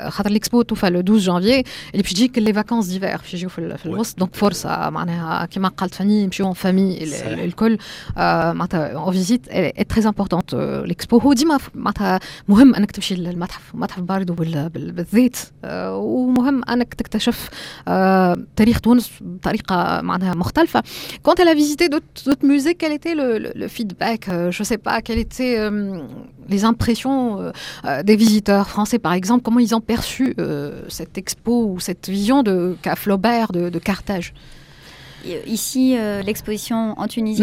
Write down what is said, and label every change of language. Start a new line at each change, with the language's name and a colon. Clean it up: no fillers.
French: L'expo tout fait le 12 janvier, et puis je dis que les vacances d'hiver, donc force, comme je l'ai dit, je suis en famille, l'école, en visite, elle est très importante, l'expo.
Arabic: مهم انك تمشي للمتحف متحف باردو بالذات ومهم انك تكتشف تاريخ تونس بطريقه معناها مختلفه.
French: Quand elle a visité d'autres musées, quel était le feedback, je sais pas, quelles étaient les impressions des visiteurs français par exemple, comment ils ont perçu cette expo ou cette vision de Flaubert de Carthage? Ici l'exposition en Tunisie?